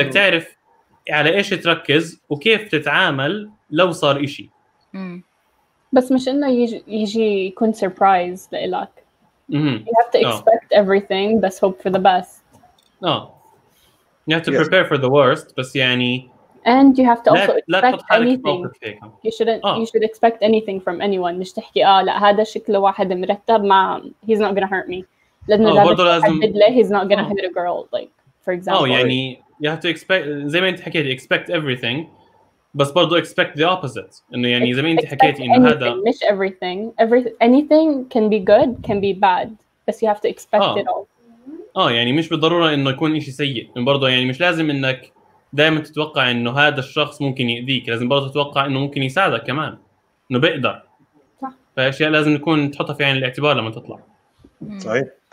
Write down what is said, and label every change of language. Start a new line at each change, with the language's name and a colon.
Arabic: يعني بدك تعرف على ايش تركز وكيف تتعامل لو صار اشي. بس مش انه يجي يكون سربرايز لإلك.
English: You have to expect everything بس hope for the best. You have to prepare for the worst بس يعني and you have to also expect anything. You should expect anything from anyone.
Arabic: مش تحكي لا هذا شكله واحد مرتب ما he's not gonna hurt me. لازم
English: he's not gonna hit a girl like for example. يعني you have to expect زي ما انت حكيت expect everything بس برضو expect the opposite.
Arabic: انه يعني زي ما انت حكيت انه هذا
English: مش everything anything can be good can be bad بس you have to expect it all.
Arabic: يعني مش بالضروره انه يكون شيء سيء برضو، يعني مش لازم انك دائما تتوقع انه هذا الشخص ممكن يؤذيك، لازم برضو تتوقع انه ممكن يساعدك كمان انه بيقدر. صح. فأشياء لازم نكون تحطها في عين الاعتبار لما تطلع. صحيح.